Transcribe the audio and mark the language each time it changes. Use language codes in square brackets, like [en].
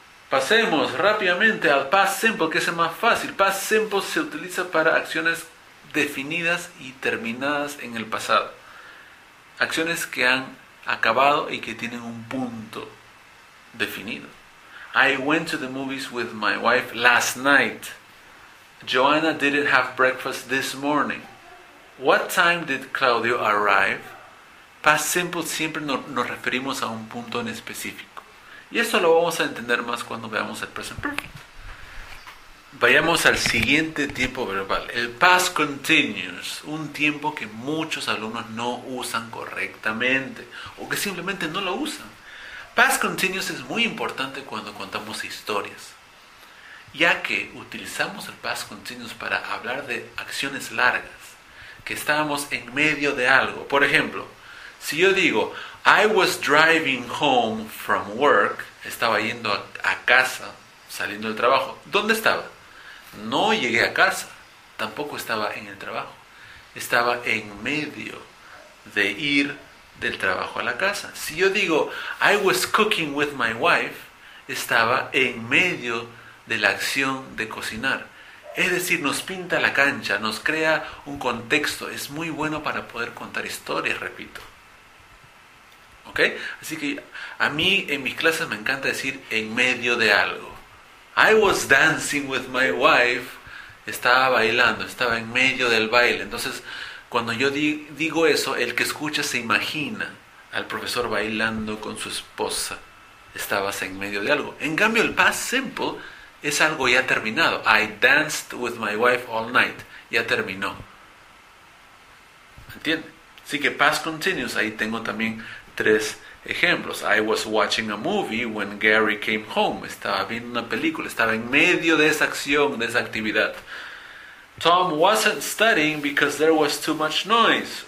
[es] Pasemos rápidamente al past simple, que es el más fácil. Past simple se utiliza para acciones definidas y terminadas en el pasado. Acciones que han acabado y que tienen un punto definido. [en] I went to the movies with my wife last night. Joanna didn't have breakfast this morning. What time did Claudio arrive? [es] Past simple siempre nos referimos a un punto en específico. Y esto lo vamos a entender más cuando veamos el present perfect. Vayamos al siguiente tiempo verbal. El past continuous. Un tiempo que muchos alumnos no usan correctamente. O que simplemente no lo usan. Past continuous es muy importante cuando contamos historias. Ya que utilizamos el past continuous para hablar de acciones largas. Que estábamos en medio de algo. Por ejemplo, si yo digo, [en] I was driving home from work. [es] Estaba yendo a casa, saliendo del trabajo. ¿Dónde estaba? No llegué a casa. Tampoco estaba en el trabajo. Estaba en medio de ir del trabajo a la casa. Si yo digo, [en] I was cooking with my wife. [es] Estaba en medio de la acción de cocinar. Es decir, nos pinta la cancha, nos crea un contexto. Es muy bueno para poder contar historias, repito. ¿Okay? Así que a mí en mis clases me encanta decir en medio de algo. [en] I was dancing with my wife. [es] Estaba bailando, estaba en medio del baile. Entonces, cuando yo digo eso, el que escucha se imagina al profesor bailando con su esposa. Estabas en medio de algo. En cambio, el past simple es algo ya terminado. [en] I danced with my wife all night. [es] Ya terminó. ¿Entiende? Así que past continuous, ahí tengo también tres ejemplos. [en] I was watching a movie when Gary came home. [es] Estaba viendo una película. Estaba en medio de esa acción, de esa actividad. [en] Tom wasn't studying because there was too much noise.